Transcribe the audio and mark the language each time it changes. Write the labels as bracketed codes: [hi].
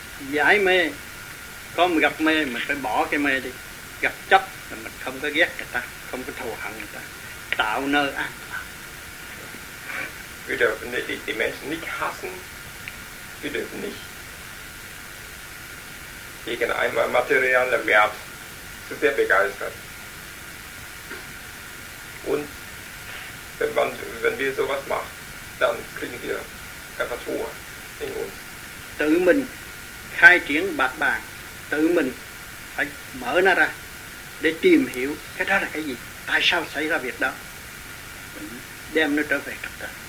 [vi] Giải mê, có mình gặp mê mình phải bỏ cái mê đi. Gặp chấp là mình không có ghét người ta, không có thù hận người ta. Tạo nơi an lạc. [de] Wir dürfen die Menschen nicht hassen. Wir dürfen nicht gegen einen materiellen Wert zu sehr begeistert. Und wenn wir sowas machen, dann kriegen wir einfach Ruhe in uns. [vi] Tự mình khai triển bạc bàn, tự mình phải mở nó ra để tìm hiểu cái đó là cái gì, tại sao xảy ra việc đó, mình đem nó trở về trật tự.